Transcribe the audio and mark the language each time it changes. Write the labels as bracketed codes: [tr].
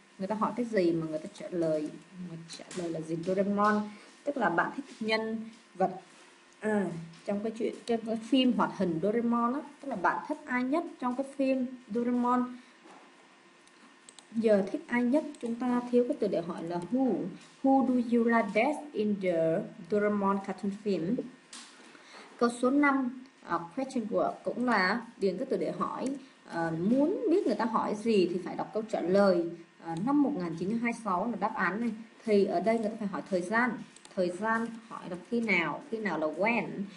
[vi] Người ta hỏi cái gì mà người ta trả lời, mà trả lời là gì? Doraemon, tức là bạn thích nhân vật trong cái chuyện, trong cái phim hoạt hình Doraemon á, tức là bạn thích ai nhất trong cái phim Doraemon. Giờ thích ai nhất, chúng ta thiếu cái từ để hỏi là who. [en] Who do you like best in the Doraemon cartoon film? [vi] Câu số 5, question word, cũng là điền cái từ để hỏi. Muốn biết người ta hỏi gì thì phải đọc câu trả lời. Năm 1926 là đáp án này. Thì ở đây người ta phải hỏi thời gian. Thời gian hỏi là khi nào là when.